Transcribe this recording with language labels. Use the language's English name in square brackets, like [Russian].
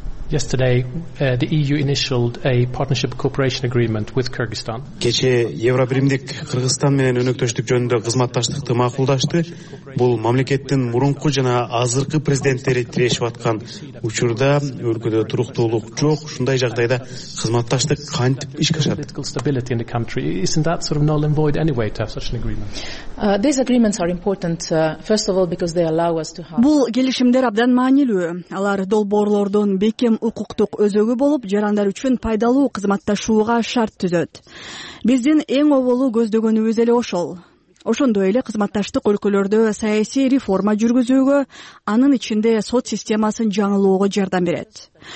[English] Yesterday, the EU initialed a partnership cooperation agreement with Kyrgyzstan. [Kyrgyz] Кече Евро биримдик Кыргызстан менен өнөктөштүк жөнүндө кызматташтыкты макулдашты. Бул мамлекеттин мурунку жана азыркы президенттери тирешип аткан учурда өлкөдө туруктуулук жок. Ушундай жагдайда кызматташтык кантип ишке ашат? [English] Stability in the country, isn't that sort of null and void anyway to have such an agreement? These agreements are important, first of all, because they allow us to have. [Kyrgyz] Бул келишимдер абдан маанилүү. Алар долбоорлордун кем укуктук өзөгү болуп, жарандар үчүн пайдалуу кызматташууга шарт түзөт. Биздин эң оболу көздөгөнүбүз эле ошол. Ошондой эле кызматташтык өлкөлөрдө саясий реформа жүргүзүүгө, анын ичинде сот системасын жаңылоого жардам берет.